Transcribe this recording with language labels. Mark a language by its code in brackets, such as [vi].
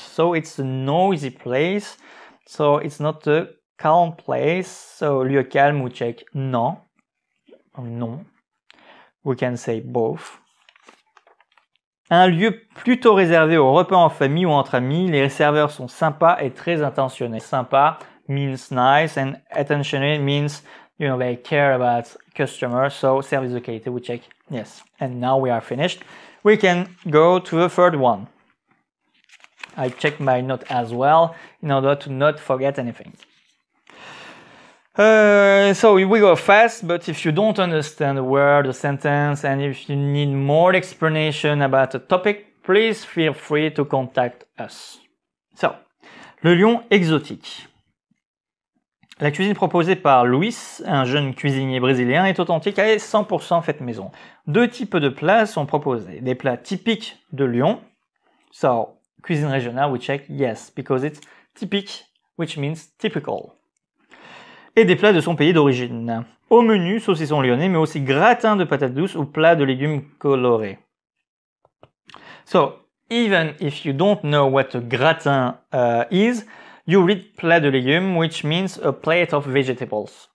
[en] So, it's a noisy place. So, it's not a calm place, so [fr] lieu calme, [en] we check [fr] non. Non. [en] We can say both. [fr] Un lieu plutôt réservé au repas en famille ou entre amis. Les serveurs sont sympas et très intentionnés. [en] Sympa means nice and attentionné means, you know, they care about customers. So [fr] service de qualité, [en] we check yes. And now we are finished. We can go to the third one. I check my note as well in order to not forget anything. So we go fast, but if you don't understand a word, a sentence, and if you need more explanation about a topic, please feel free to contact us. So, le lion exotique. [fr] La cuisine proposée par Luis, un jeune cuisinier brésilien, est authentique et 100% faite maison. Deux types de plats sont proposés. Des plats typiques de Lyon. [en] So, [fr] cuisine régionale, [en] we check yes, because it's typique, which means typical. [fr] Et des plats de son pays d'origine. Au menu, saucisson lyonnais, mais aussi gratin de patates douces ou plats de légumes colorés. [en] So, even if you don't know what a gratin is, you read [fr] plat de légumes, [en] which means a plate of vegetables.